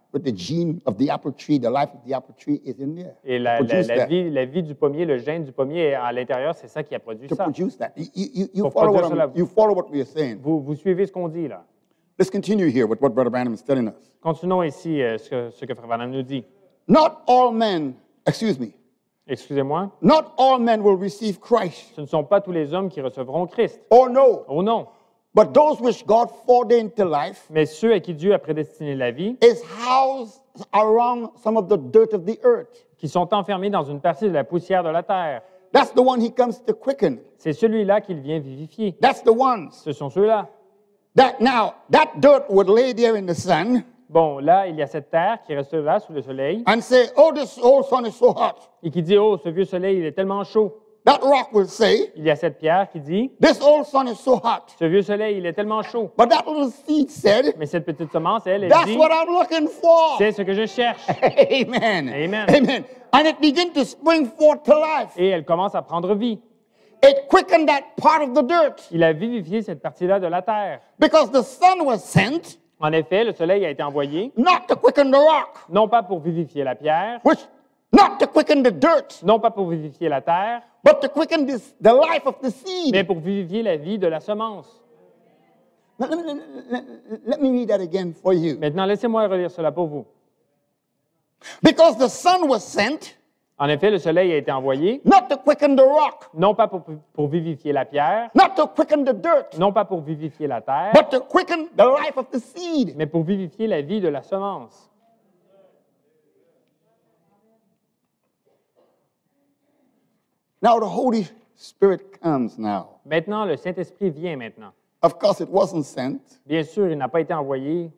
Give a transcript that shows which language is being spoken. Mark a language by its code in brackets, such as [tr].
[en] But the gene of the apple tree, the life of the apple tree is in there. [fr] Et la vie du pommier, le gène du pommier à l'intérieur, c'est ça qui a produit [en] to [fr] ça. [en] To produce that. You follow what we are saying. [fr] Vous suivez ce qu'on dit là. [en] Let's continue here with what Brother Branham is telling us. [fr] Continuons ici ce que Frère Branham nous dit. [en] Not all men, excuse me. [fr] Excusez-moi. [en] Not all men will receive Christ. [fr] Ce ne sont pas tous les hommes qui recevront Christ. [en] Oh no. [fr] Oh non. [en] But those which God foreordained to life, [fr] mais ceux à qui Dieu a prédestiné la vie, [en] is housed around some of the dirt of the earth, [fr] qui sont enfermés dans une partie de la poussière de la terre. [en] That's the one He comes to quicken. [fr] C'est celui-là qu'il vient vivifier. [en] That's the ones. [fr] Ce sont ceux-là. [en] That now that dirt would lay there in the sun. [fr] Bon, là, il y a cette terre qui reste là sous le soleil. [en] And say, oh, this old sun is so hot. [fr] Et qui dit, oh, ce vieux soleil, il est tellement chaud. [en] That rock will say, [fr] il y a cette pierre qui dit, [en] this old sun is so hot. [fr] Ce vieux soleil, il est tellement chaud. [en] But that little seed said, [fr] mais cette petite semence, elle dit, [en] that's what I'm looking for. [fr] C'est ce que je cherche. [en] Amen. Amen. Amen. And it begins to spring forth to life. [fr] Et elle commence à prendre vie. [en] It quickened that part of the dirt. [fr] Il a vivifié cette partie-là de la terre. [en] Because the sun was sent. [fr] En effet, le soleil a été envoyé. [en] Not to quicken the rock. [fr] Non pas pour vivifier la pierre. [en] Which, not to quicken the dirt. [fr] Non pas pour vivifier la terre. [en] But to quicken the life of the seed. [fr] Mais pour vivifier la vie de la semence. [en] Let me read that again for you. [fr] Maintenant, laissez-moi relire cela pour vous. [en] Because the sun was sent. [fr] En effet, le soleil a été envoyé. [en] Not to quicken the rock. [fr] Non pas pour vivifier la pierre. [en] Not to quicken the dirt. [fr] Non pas pour vivifier la terre. [en] But to quicken the life of the seed. [fr] Mais pour vivifier la vie de la semence. [en] Now the Holy Spirit comes now. [fr] Maintenant, le Saint-Esprit vient maintenant. [en] Of course, it wasn't sent. [fr] Bien sûr, il n'a pas été envoyé.